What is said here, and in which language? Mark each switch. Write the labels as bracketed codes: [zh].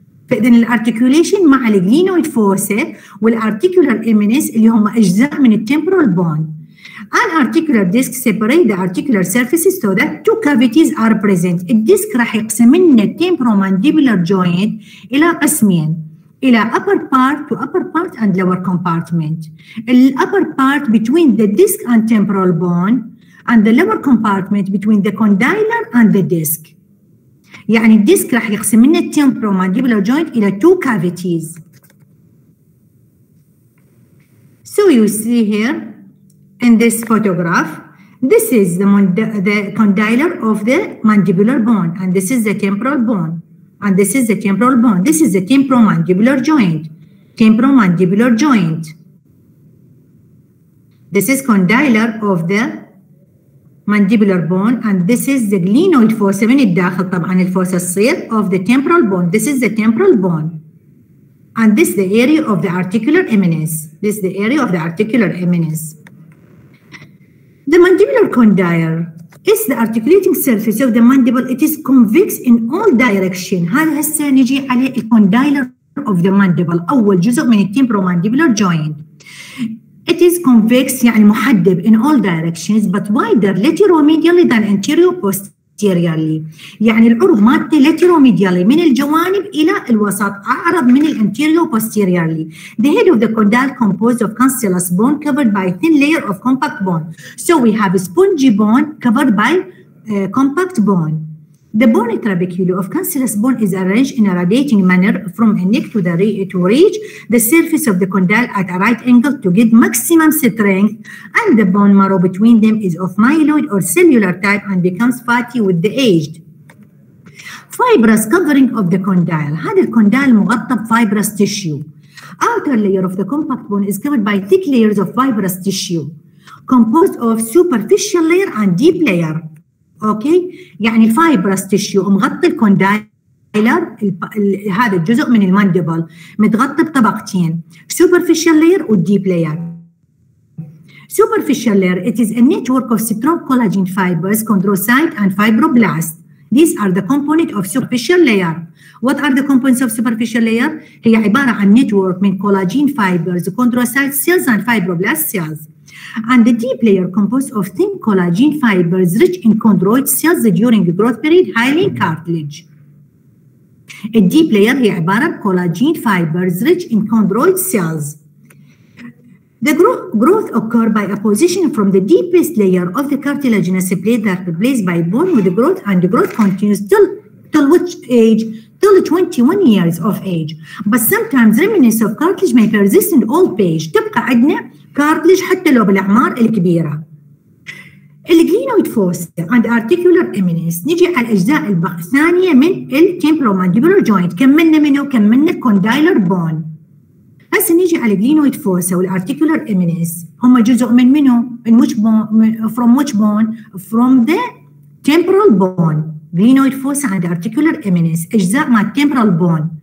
[ar] فإذن الارتكوليشن مع الجلينويد فورسة والارتكولار إيمينيس اللي هم أجزاء من التمبرال بون. [en] An articular disc separate the articular surfaces so that two cavities are present. [ar] الديسك راح يقسم لنا التمبرومانديبولار جوينت إلى قسمين. [en] إلى upper part to upper part and lower compartment. The upper part between the disc and temporal bone and the lower compartment between the condylar and the disc. [ar] يعني الديسك راح يقسم لنا التمبرومانديبولار جوينت الى تو كافيتيز. [en] So you see here in this photograph, this is the condylar of the mandibular bone and this is the temporal bone and this is the temporal bone. This is the temporomandibular joint. Temporomandibular joint. This is condylar of the mandibular bone, and this is the glenoid fossa [ar] من الداخل طبعا الفوسة الصير [en] of the temporal bone. This is the temporal bone, and this is the area of the articular eminence. This is the area of the articular eminence. The mandibular condyle is the articulating surface of the mandible. It is convex in all direction. [ar] هذا هسه نجي عليه الكوندايلر [en] of the mandible, [ar] أول جزء من التيمبرومانديبولار joint. [en] It is convex, [ar] يعني محدب [en] in all directions, but wider lateromedially than anterior posteriorly. [ar] يعني العروض مالته lateromedially من الجوانب إلى الوسط أعرض من anterior posteriorly. [en] The head of the condyle composed of cancellous bone covered by a thin layer of compact bone. So we have a spongy bone covered by compact bone. The bony trabeculum of cancellous bone is arranged in a radiating manner from a neck to reach the surface of the condyle at a right angle to get maximum strength, and the bone marrow between them is of myeloid or cellular type and becomes fatty with the age. Fibrous covering of the condyle. [ar] هذا الكوندايل مغطى fibrous tissue. [en] Outer layer of the compact bone is covered by thick layers of fibrous tissue composed of superficial layer and deep layer. [ar] اوكي يعني الفايبرس تيشيو مغطي الكوندايلر هذا الجزء من المانديبل متغطي بطبقتين سوبرفيشال لاير والديب لاير. [en] Superficial layer it is a network of strong collagen fibers, chondrocyte and fibroblast. These are the components of superficial layer. What are the components of superficial layer? [ar] هي عبارة عن [en] network [ar] من [en] collagen fibers, chondrocyte cells and fibroblast cells. And the deep layer composed of thin collagen fibers rich in chondroid cells during the growth period, highly cartilage. A deep layer [ar] هي عبارة [en] collagen fibers rich in chondroid cells. The growth occurs by opposition from the deepest layer of the cartilaginous plate that replaced by bone with the growth, and the growth continues till which age? Till 21 years of age. But sometimes remnants of cartilage may persist in old age. [ar] تبقى عندنا cartilage حتى لو بالأعمار الكبيرة. [en] الجلينويد فوسة and articular eminence. [ar] نجي على الأجزاء الثانية من التيمبرومانديبولار جوينت. كملنا منه كملنا الكوندايلر بون. هسا نجي على الجلينويد فوسة والارتيكولار إمينيس. هما جزء من منه؟ من [en] which bone? From which bone? From the temporal bone. Glenoid fossa and articular eminence. [ar] أجزاء مع [en] temporal bone.